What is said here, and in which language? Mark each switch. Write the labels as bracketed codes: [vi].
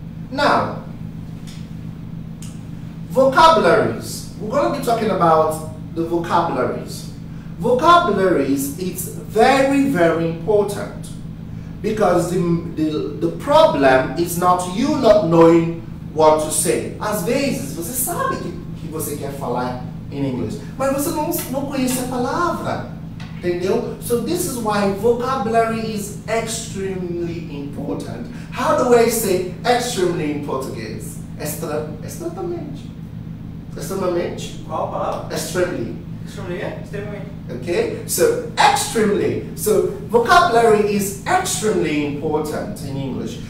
[en] Now, vocabularies. We're going to be talking about the vocabularies. Vocabularies, it's very, very important. Because the problem is not you not knowing what to say. [pt] Às vezes, você sabe que você quer falar em inglês, mas você não conhece a palavra. Entendeu? [en] So this is why vocabulary is extremely important. How do I say extremely in Portuguese? [pt] Extremamente. Extremamente? Qual a palavra? [en] Extremely. Extremely, [pt] é? Extremamente. [en] Okay? So extremely. So vocabulary is extremely important in English.